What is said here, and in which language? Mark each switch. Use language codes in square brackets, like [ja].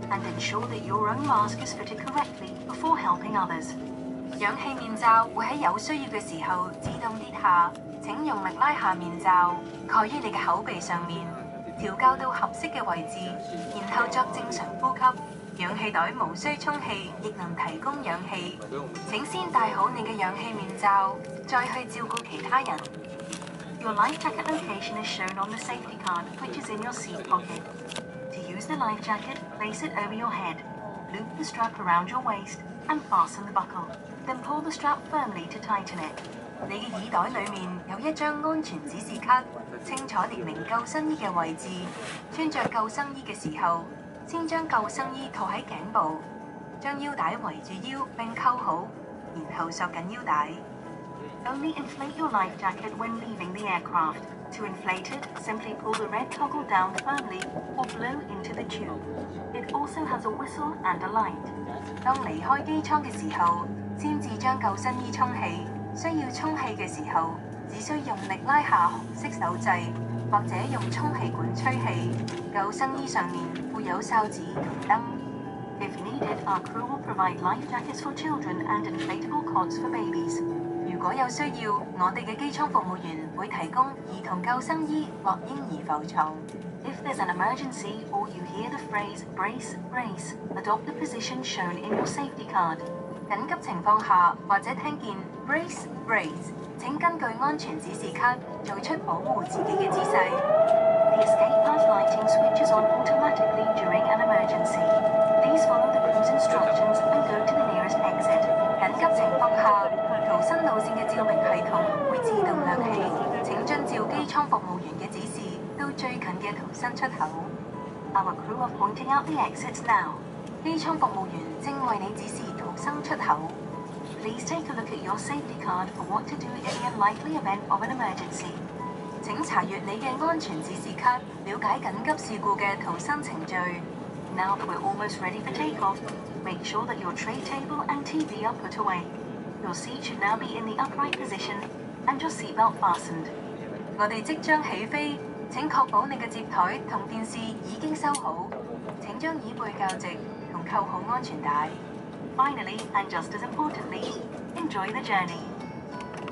[en] And ensure that your own mask is fitted correctly before helping others. [yue] 氧气面罩会在有需要的时候自动跌下，请用力拉下面罩，盖于你的口鼻上面，调校到合适的位置，然后作正常呼吸。氧气袋无需充气，亦能提供氧气。请先戴好你的氧气面罩，再去照顾其他人。 [en] Your life jacket location is shown on the safety card, which is in your seat pocket. To use the life jacket, place it over your head. Loop the strap around your waist and fasten the buckle. Then pull the strap firmly to tighten it. [yue] 你的耳袋里面有一张安全指示卡，清楚列明救生衣的位置。穿着救生衣的时候，先将救生衣套在颈部，将腰带围住腰并扣好，然后索紧腰带。 [en] Only inflate your life jacket when leaving the aircraft. To inflate it, simply pull the red toggle down firmly or blow into the tube. It also has a whistle and a light. [yue] 当离开机舱的时候，先至将救生衣充气。需要充气的时候，只需用力拉下红色手掣，或者用充气管吹气。救生衣上面会有哨子同灯。 [en] If needed, our crew will provide life jackets for children and inflatable cots for babies. [yue] 如果有需要，我们的机舱服务员会提供儿童救生衣或婴儿浮床。 [en] If there's an emergency or you hear the phrase brace, brace, adopt the position shown in your safety card. [yue] 紧急情况下或者听见 [en] brace, brace, [yue] 请根据安全指示卡做出保护自己的姿势。 [en] The escape pod lighting switches on automatically during an emergency. Please follow the crew's instructions and go to the nearest exit. [yue] 紧急情况下逃生路线的照明系统会自动亮起，请遵照机舱服务员的指示到最近的逃生出口。 [en] Our crew are pointing out the exits now. [yue] 机舱服务员正为你指示逃生出口。 [en] Please take a look at your safety card for what to do in a likely event of an emergency. [yue] 请查阅你的安全指示卡，了解紧急事故的逃生程序。 [en] Now that we're almost ready for takeoff, make sure that your tray table and TV are put away. Your seat should now be in the upright position and your seatbelt fastened. [yue] 我们即将起飞，请确保你的接台和电视已经收好，请将椅背校直和扣好安全带。 [en] Finally, and just as importantly, enjoy the journey.